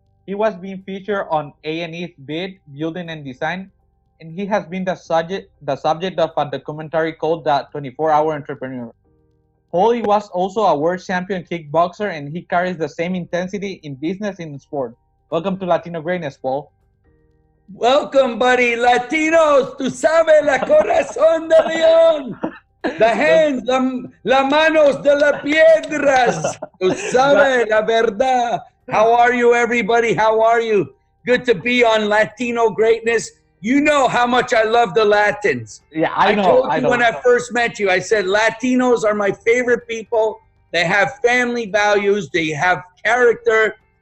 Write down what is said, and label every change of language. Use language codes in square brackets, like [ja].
[en] He was being featured on A&E's Bid, Building and Design, and he has been the subject of a documentary called The 24-Hour Entrepreneur. Paulie was also a world champion kickboxer, and he carries the same intensity in business and sport. Welcome to Latino Greatness, Paul. Welcome, buddy. [es] Latinos, tú sabes, la corazón de León. [en] The hands, [es] la manos de las piedras. Tú sabes, la verdad. [en] How are you, everybody? How are you? Good to be on Latino Greatness. You know how much I love the Latins. Yeah, I know. I told you I when I first met you, I said Latinos are my favorite people. They have family values. They have character.